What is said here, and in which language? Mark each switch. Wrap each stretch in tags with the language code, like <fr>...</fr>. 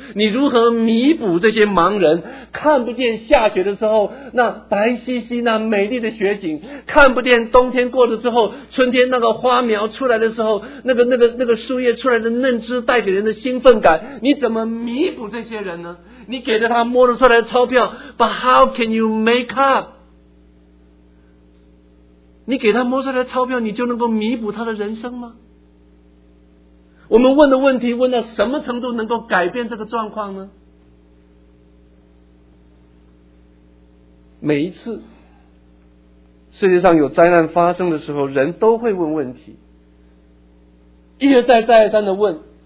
<zh>你如何弥补这些盲人看不见下雪的时候那白兮兮那美丽的雪景，看不见冬天过了之后春天那个花苗出来的时候那个树叶出来的嫩枝带给人的兴奋感，你怎么弥补这些人呢？你给了他摸得出来的钞票，</zh> <en>But how can you make up?</en> <zh>你给他摸出来的钞票，你就能够弥补他的人生吗？我们问的问题问到什么程度能够改变这个状况呢？每一次世界上有灾难发生的时候，人都会问问题，一而再再而三的问。</zh>